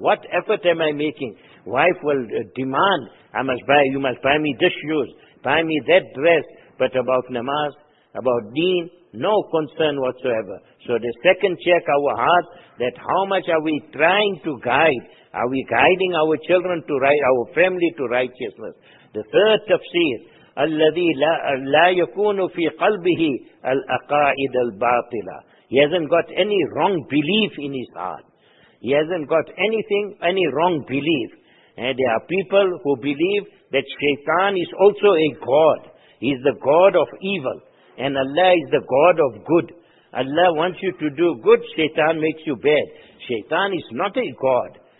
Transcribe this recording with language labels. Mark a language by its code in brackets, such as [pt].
[en] What effort am I making? Wife will demand, you must buy me this shoes, buy me that dress. But about namaz, about deen, no concern whatsoever. So the second check our heart, that how much are we trying to guide? Are we guiding our children to right, our family to righteousness? The third tafsir, [ar] الذي لا يكون في قلبه الأقائد الباطلة. [en] He hasn't got any wrong belief in his heart. He hasn't got anything, any wrong belief. And there are people who believe that Shaitan is also a god. He is the god of evil. And Allah is the god of good. Allah wants you to do good, Shaitan makes you bad. Shaitan is not a god.